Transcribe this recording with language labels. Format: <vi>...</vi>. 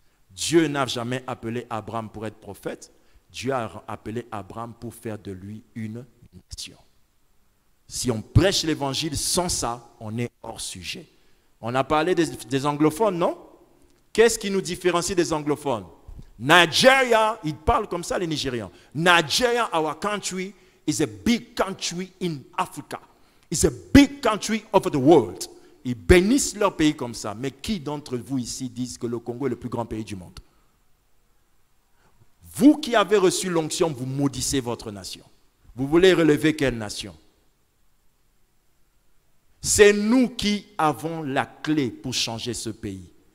<fr>Dieu n'a jamais appelé Abraham pour être prophète. Dieu a appelé Abraham pour faire de lui une nation. Si on prêche l'évangile sans ça, on est hors sujet. On a parlé des anglophones, non? Qu'est-ce qui nous différencie des anglophones? Nigeria, ils parlent comme ça les Nigérians.</fr> <en>Nigeria, our country, is a big country in Africa. It's a big country of the world.</en> <fr>Ils bénissent leur pays comme ça. Mais qui d'entre vous ici disent que le Congo est le plus grand pays du monde? Vous qui avez reçu l'onction, vous maudissez votre nation. Vous voulez relever quelle nation? C'est nous qui avons la clé pour changer ce pays.</fr>